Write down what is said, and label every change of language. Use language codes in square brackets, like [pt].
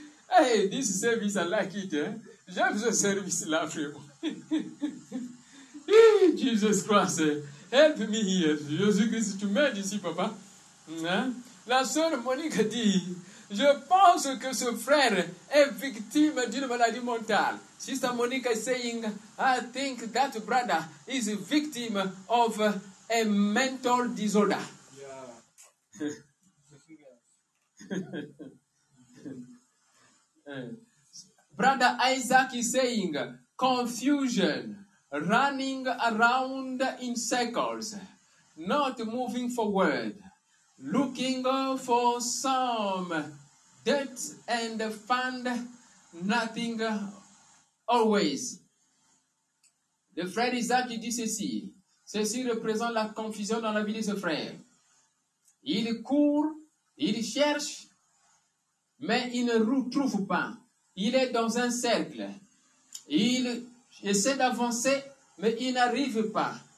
[en] Hey, this service, I like it. Hein? [fr] J'aime ce service-là, frérot. [en] Jesus Christ, help me here. [fr] Jésus-Christ, tu m'aides ici, papa. Hein? La sœur Monica dit, Je pense que ce frère est victime d'une maladie mentale. [en] Sister Monica is saying, I think that brother is a victim of a mental disorder. Yeah. Brother Isaac is saying, confusion, running around in circles, not moving forward, looking for some debt and find nothing always. [fr] Le frère Isaac dit ceci. Ceci représente la confusion dans la vie de ce frère. Il court, il cherche, mais il ne retrouve pas. Il est dans un cercle. Il essaie d'avancer, mais il n'arrive pas.